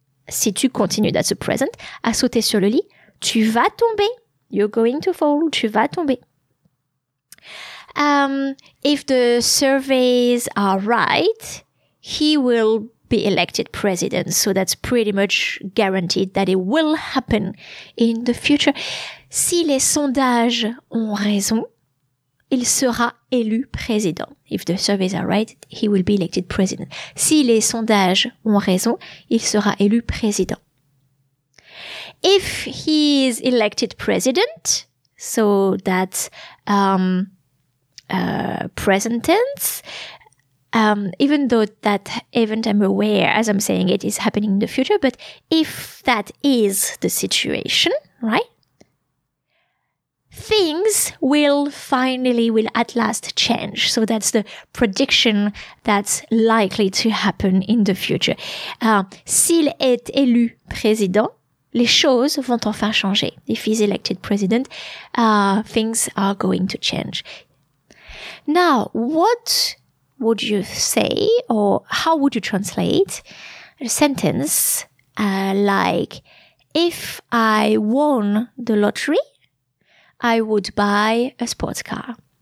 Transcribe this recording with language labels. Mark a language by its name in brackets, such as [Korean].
[French] Si tu continues, [English] that's a present, [French] à sauter sur le lit, tu vas tomber. [English] You're going to fall, [French] tu vas tomber. [English] If the surveys are right, he will be elected president. So that's pretty much guaranteed that it will happen in the future. [French] Si les sondages ont raison, il sera élu président. [English] If the surveys are right, he will be elected president. [French] Si les sondages ont raison, il sera élu président. [English] If he is elected president, so that's present tense, even though that event I'm aware, as I'm saying it, is happening in the future, but if that is the situation, right? Things will at last change. So that's the prediction that's likely to happen in the future. [French] S'il est élu président, les choses vont enfin changer. [English] If he's elected president, things are going to change. Now, what would you say, or how would you translate a sentence like, if I won the lottery, I would buy a sports car?